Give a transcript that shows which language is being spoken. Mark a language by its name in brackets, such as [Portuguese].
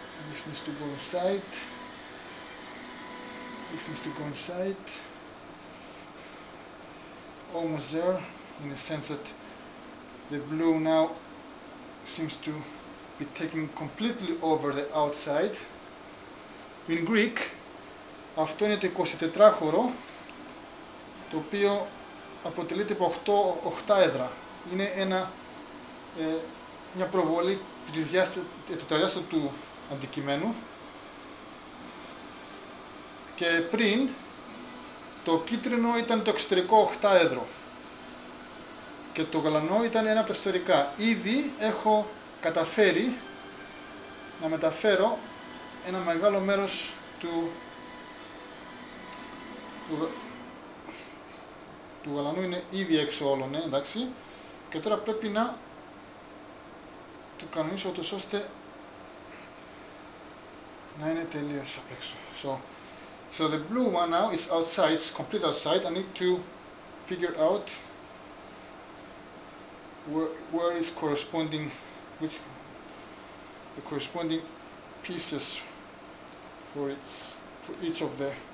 [English] This needs to go inside. This needs to go inside. Almost there, in the sense that the blue now seems to be taking completely over the outside. In Greek, [Greek] αυτό είναι το 24ωρο, το οποίο αποτελείται από 8 οχτάεδρα. Είναι ένα μια προβολή το τριδιάστατο του αντικειμένου, και πριν το κίτρινο ήταν το εξωτερικό οχτάεδρο και το γαλανό ήταν ένα από τα εσωτερικά. Ήδη έχω καταφέρει να μεταφέρω ένα μεγάλο μέρος του γαλανού, είναι ήδη έξω όλο, ναι, εντάξει, και τώρα πρέπει να το κανονίσω τόσο ώστε να είναι τελείως απ' έξω. [English] So the blue one now is outside, it's complete outside. I need to figure out where is corresponding, which the corresponding pieces for each of the